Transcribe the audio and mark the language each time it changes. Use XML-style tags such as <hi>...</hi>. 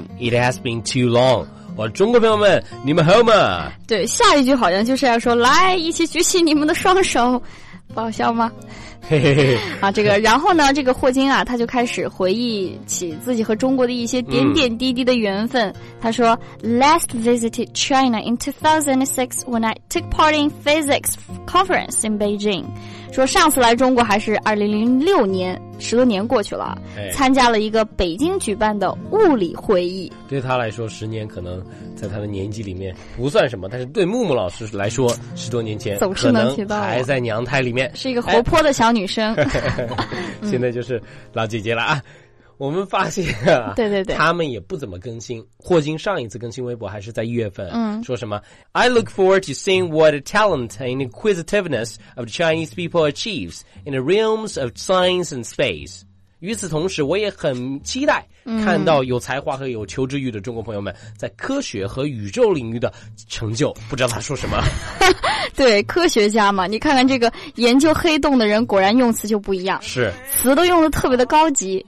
<en>It has been too long.</en> <zh>我中国朋友们，你们好吗？对，下一句好像就是要说来一起举起你们的双手，不好笑吗？嘿嘿嘿。啊，这个然后呢，这个霍金啊，他就开始回忆起自己和中国的一些点点滴滴的缘分。他说</zh> <en>Last visited China in 2006 when I took part in physics conference in Beijing.</en> <zh>说上次来中国还是2006年，十多年过去了、哎、参加了一个北京举办的物理会议。对他来说，十年可能在他的年纪里面不算什么，但是对木木老师来说，十多年前总是能提到，还在娘胎里面，是一个活泼的小女生、哎、现在就是老姐姐了啊。我们发现、啊、对对对，他们也不怎么更新。霍金上一次更新微博还是在一月份、嗯、说什么</zh> <en>I look forward to seeing what talent and inquisitiveness of Chinese people achieves in the realms of science and space.</en> <zh>与此同时，我也很期待看到有才华和有求知欲的中国朋友们在科学和宇宙领域的成就。不知道他说什么对，科学家嘛，你看看这个研究黑洞的人果然用词就不一样，是词都用得特别的高级。</zh>